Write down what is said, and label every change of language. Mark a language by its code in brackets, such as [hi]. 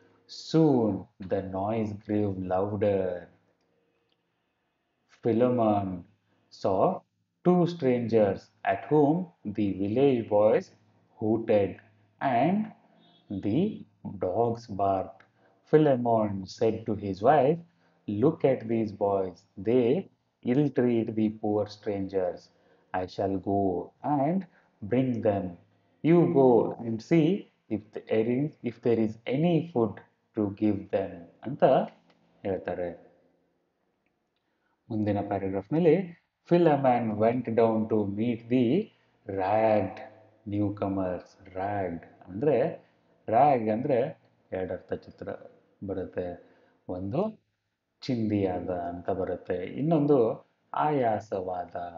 [en] Soon the noise grew louder. Philemon saw two strangers at home the village boys hooted and the dogs barked. Philemon said to his wife, look at these boys, they ill treat the poor strangers. I shall go and bring them. You go and see if there is any food to give them [kn] anta helthare. Mundina paragraph nalli [en] Philemon went down to meet the ragged newcomers. [kn] Rag ಅಂದರೆ, rag ಅಂದರೆ ಎರಡರ್ಥ ಚಿತ್ರ ಬರುತ್ತೆ, ಒಂದು ಚಿಂದಿಯಾದ ಅಂತ ಬರುತ್ತೆ. ಇನ್ನೊಂದು ಆಯಾಸವಾದ.